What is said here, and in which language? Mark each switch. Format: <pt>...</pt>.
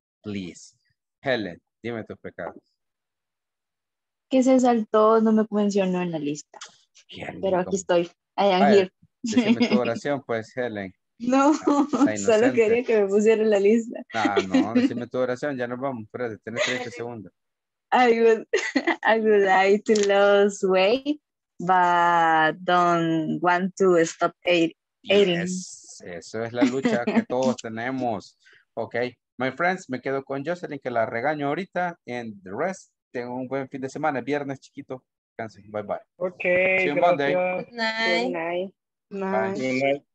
<es>Please. Helen, dime tus pecados. Que se saltó, no me mencionó en la lista. Pero aquí estoy.</es> <en>I am here.</en> <es>Decime tu oración, pues, Helen. No, solo quería que me pusiera en la lista. No, decime tu oración, ya nos vamos. Espérate, tenés 30 segundos.</es> <en>I would like to lose weight, but don't want to stop eating.</en> <es>Yes, eso es la lucha que todos tenemos.</es> <en>Ok, my friends,</en> <es>me quedo con Jocelyn, que la regaño ahorita,</es> <en>and the rest.</en> <es>Tengo un buen fin de semana, viernes chiquito. Cansé. Bye bye.</es> <en>Okay. See you on Monday. Good night. Good night. Good night. Bye. Good night.</en>